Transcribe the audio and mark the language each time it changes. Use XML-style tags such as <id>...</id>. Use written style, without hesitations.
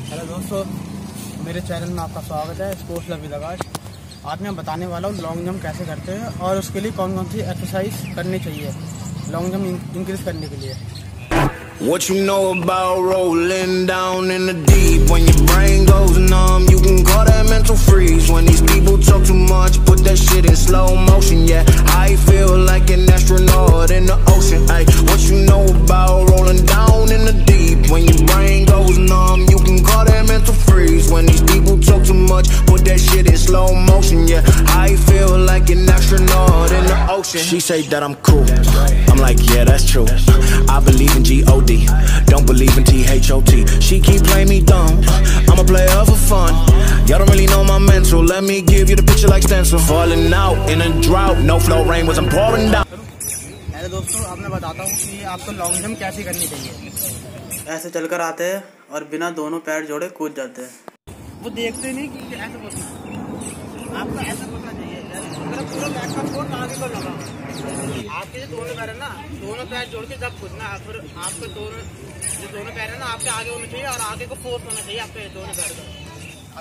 <hi>दोस्तों, मेरे चैनल में आपका स्वागत है। स्पोर्ट्स लवी दगाज, आज मैं बताने वाला हूँ लॉन्ग जंप कैसे करते हैं और उसके लिए कौन कौन सी एक्सरसाइज करनी चाहिए लॉन्ग जंप इंक्रीज करने के लिए।</hi> <en>What you know about rolling down in the deep? When your brain goes numb, you can call that mental freeze. When these people talk too much, put that shit in slow motion. Yeah, I feel like an astronaut in the ocean. Ay, what you know about rolling down in the deep? When your brain goes numb, you can call that mental freeze. When these people talk too much, put that shit in slow motion. Yeah, I feel like an astronaut in the ocean. She say that I'm cool. I'm like, yeah, that's true. I believe in G-O-D, don't believe in T-H-O-T. She keep playing me dumb, I'm a player for fun. Y'all don't really know my mental, let me give you the picture like stencil. Falling out in a drought, no flow rain was I'm pouring down.</en> <hi>मेरे दोस्तों, अब मैं बताता हूँ कि आपको long jump कैसे करनी चाहिए। ऐसे चलकर आते हैं और बिना दोनों पैर जोड़े कूद जाते हैं। वो देखते नहीं कि ऐसे कूदना, आपको ऐसे कूदना चाहिए। आपके जो दोनों पैर है ना, दोनों पैर जोड़ के जब खुदना है, फिर आपके दोनों पैर है ना, आपके आगे होने चाहिए और आगे को फोर्स होना चाहिए आपके दोनों पैर का।</hi>